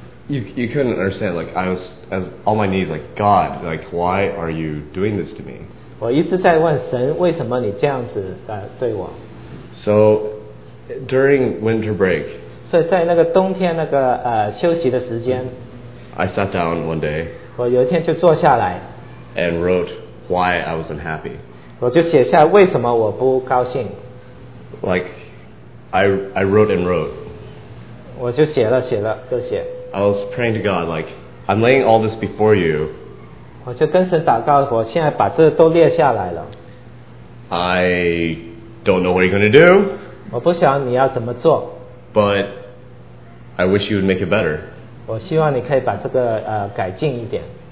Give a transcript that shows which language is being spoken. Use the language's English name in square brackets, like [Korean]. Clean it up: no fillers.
[English] You couldn't understand, like, I was as on my knees, like, God, like, why are you doing this to me? [Chinese] 我一直在问神，为什么你这样子对我？ [English] So, during winter break, [Chinese] 所以在那个冬天那个休息的时间， [English] I sat down one day, [Chinese] 我有一天就坐下来， [English] and wrote,why I was unhappy. [Chinese] 我就写下为什么我不高兴。 [English] Like, I wrote and wrote. [Chinese] 我就写了写了就写。 [English] I was praying to God, like, I'm laying all this before you. [Chinese] 我就跟神祷告，我现在把这都列下来了。 [English] I don't know what you're going to do. [Chinese] 我不想你要怎么做。 [English] But I wish you would make it better. [Chinese] 我希望你可以把这个改进一点。